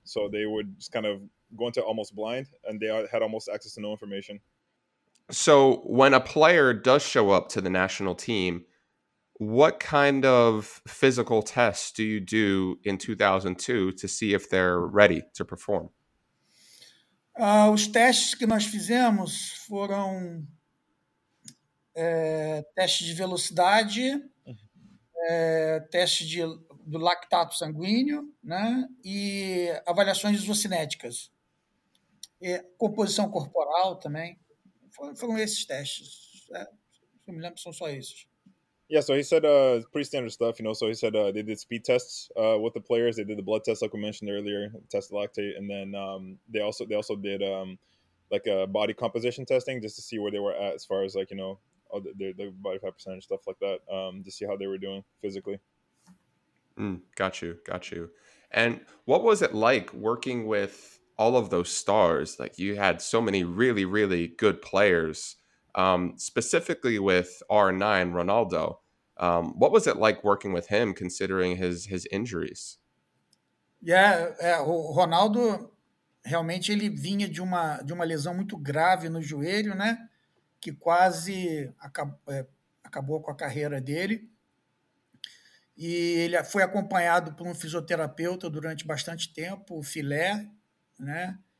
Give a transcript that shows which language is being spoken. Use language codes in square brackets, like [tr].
[en] So they would just kind of go into almost blind, and they had almost access to no information. So when a player does show up to the national team, what kind of physical tests do you do in 2002 to see if they're ready to perform? [pt] Os testes que nós fizemos foram testes de velocidade, testes do lactato sanguíneo, né, e avaliações isocinéticas. Composição corporal também. Foram esses testes. Não me lembro, são só esses. [en] Yeah, so he said pretty standard stuff, you know. So he said they did speed tests with the players. They did the blood test, like we mentioned earlier, test lactate, and then they also did like a body composition testing just to see where they were at as far as like, you know, all the body fat percentage stuff like that, to see how they were doing physically. Got you. And what was it like working with all of those stars? Like, you had so many really, really good players. Specifically with R9 Ronaldo, what was it like working with him considering his injuries? [pt] O Ronaldo realmente ele vinha de uma lesão muito grave no joelho, né, que quase acabou com a carreira dele. E ele foi acompanhado por um fisioterapeuta durante bastante tempo, o Filé, né?